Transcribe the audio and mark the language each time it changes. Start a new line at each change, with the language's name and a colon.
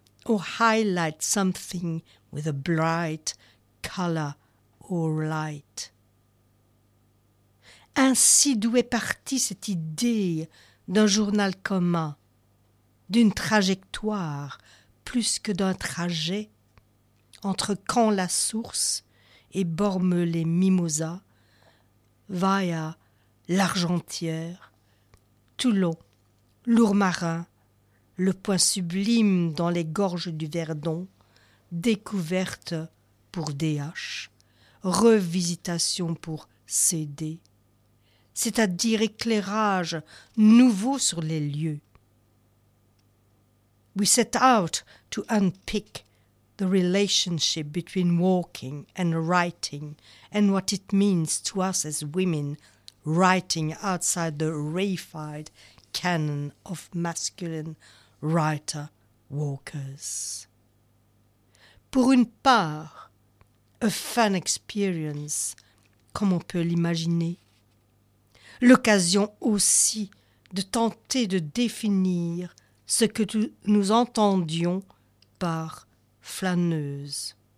English: or highlight something with a bright color or light.
French: Ainsi d'où est partie cette idée d'un journal commun, d'une trajectoire plus que d'un trajet entre Caen la source et Bormes les Mimosas, via l'Argentière, Toulon, Lourmarin, le point sublime dans les gorges du Verdon, découverte pour DH, revisitation pour CD, c'est-à-dire éclairage nouveau sur les lieux.
English: We set out to unpick the relationship between walking and writing and what it means to us as women writing outside the reified canon of masculine writer-walkers.
French: Pour une part,
English: a fan experience,
French: comme on peut l'imaginer, l'occasion aussi de tenter de définir ce que nous entendions par flâneuse.